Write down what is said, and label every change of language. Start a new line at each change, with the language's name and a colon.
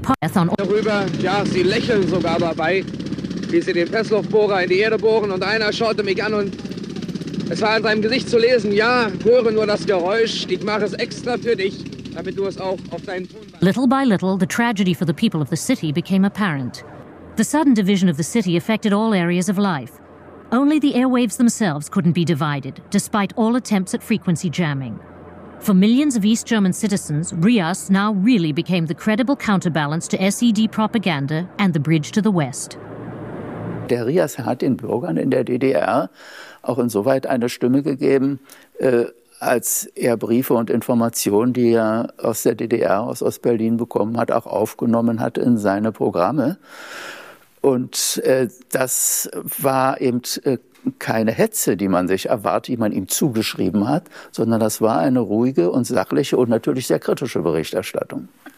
German: Darüber, ja, sie lächeln sogar dabei, wie sie den Pressluftbohrer in die Erde bohren. Und einer schaute mich an und es war in seinem Gesicht zu lesen, ja, höre nur das Geräusch, ich mache es extra für dich, damit du es auch auf deinen Ton...
English: Little by little, the tragedy for the people of the city became apparent. The sudden division of the city affected all areas of life. Only the airwaves themselves couldn't be divided, despite all attempts at frequency jamming. For millions of East German citizens, Rias now really became the credible counterbalance to SED propaganda and the bridge to the West.
German: Der Rias hat den Bürgern in der DDR auch insoweit eine Stimme gegeben, als er Briefe und Informationen, die er aus der DDR, aus Ost-Berlin bekommen hat, auch aufgenommen hat in seine Programme. Und das war eben keine Hetze, die man sich erwartet, die man ihm zugeschrieben hat, sondern das war eine ruhige und sachliche und natürlich sehr kritische Berichterstattung.